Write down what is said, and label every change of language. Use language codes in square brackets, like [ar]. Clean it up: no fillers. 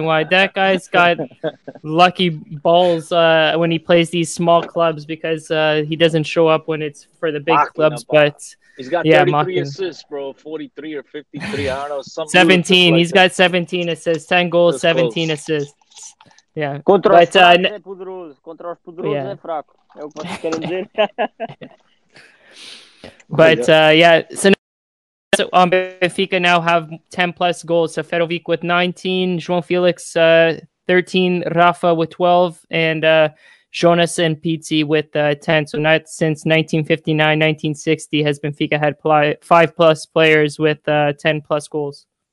[en] That guy's got lucky balls when he plays these small clubs, because he doesn't show up when it's for the big clubs. But he's got 33 mocking. Assists, bro. 43 or 53. I don't know. 17. He's got 17 assists. 10 goals, 17 assists. Yeah. [pt] Contra os poderosos. Contra os poderosos é fraco. É o que vocês querem dizer. [en] But so Benfica now have 10 plus goals. So Ferovic with 19, João Felix 13, Rafa with 12, and Jonas and Pizzi with 10. So not since 1959, 1960 has Benfica had 5 plus players with 10 plus goals.